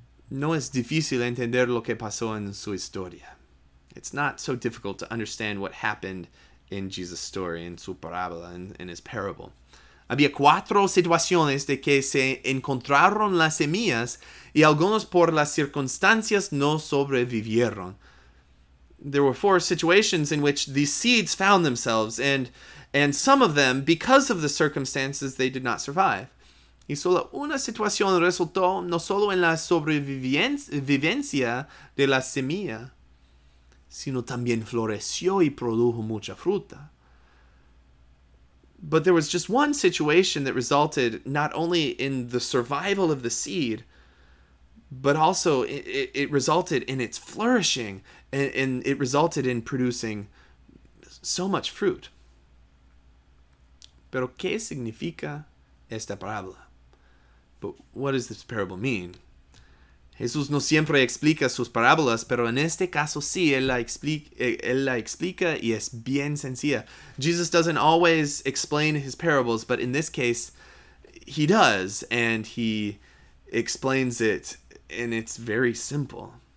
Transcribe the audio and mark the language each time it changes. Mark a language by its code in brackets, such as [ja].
[es] No es difícil entender lo que pasó en su historia. [en] It's not so difficult to understand what happened in Jesus' story, in [es] su parábola, [en] in his parable. [es] Había cuatro situaciones de que se encontraron las semillas y algunos por las circunstancias no sobrevivieron. [en] There were four situations in which these seeds found themselves, and some of them, because of the circumstances, they did not survive. [es] Y solo una situación resultó no solo en la sobrevivencia de la semilla, sino también floreció y produjo mucha fruta. [en] But there was just one situation that resulted not only in the survival of the seed, but also it resulted in its flourishing, and it resulted in producing so much fruit. [es] Pero ¿qué significa esta parábola? [en] But what does this parable mean? [es] Jesús no siempre explica sus parábolas, pero en este caso sí, él la explica y es bien sencilla. [en] Jesus doesn't always explain his parables, but in this case, he does, and he explains it, and it's very simple.